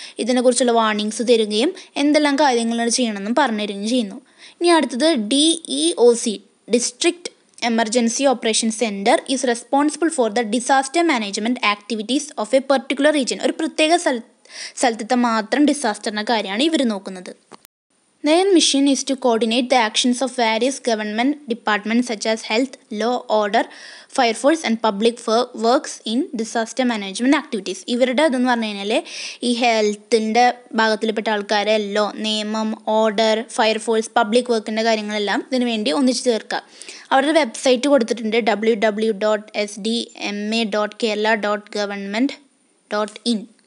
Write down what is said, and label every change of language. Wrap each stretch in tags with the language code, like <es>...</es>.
<ml>ഇതിനെക്കുറിച്ചുള്ള വാർണിംഗ്സ് തരുകയും എന്തെല്ലാം കാര്യങ്ങളാണ് ചെയ്യണമെന്നും പറഞ്ഞു തരികയും ചെയ്യുന്നു. ഇനി അടുത്തത്</ml> <en>DEOC, district emergency operation centre, is responsible for the disaster management activities of a particular region.</en> <ml>ഒരു പ്രത്യേക സ്ഥലത്തെ മാത്രം ഡിസാസ്റ്ററിൻ്റെ കാര്യമാണ് ഇവർ നോക്കുന്നത്.</ml> <en>Their mission is to coordinate the actions of various government departments such as health, law, order, fire force and public works in disaster management activities.</en> <ml>ഇവരുടെ അതെന്ന് പറഞ്ഞു കഴിഞ്ഞാൽ ഈ ഹെൽത്തിൻ്റെ ഭാഗത്തിൽപ്പെട്ട ആൾക്കാരെ, ലോ, നിയമം, ഓർഡർ, ഫയർ ഫോഴ്സ്, പബ്ലിക് വർക്കിൻ്റെ കാര്യങ്ങളെല്ലാം ഇതിനു വേണ്ടി ഒന്നിച്ച് ചേർക്കുക. അവരുടെ വെബ്സൈറ്റ് കൊടുത്തിട്ടുണ്ട്, www.sdma.kerala.government.in.</ml>